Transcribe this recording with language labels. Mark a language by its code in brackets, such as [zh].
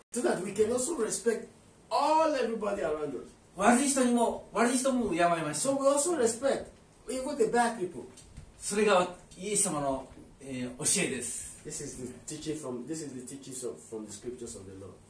[en] So that we can also respect all everybody around us. [ja] 悪い人も敬いましょう。 [en] So we also respect even the bad people. [ja] それがイエス様の、教えです。 [en] This is the teaching from the scriptures of the Lord.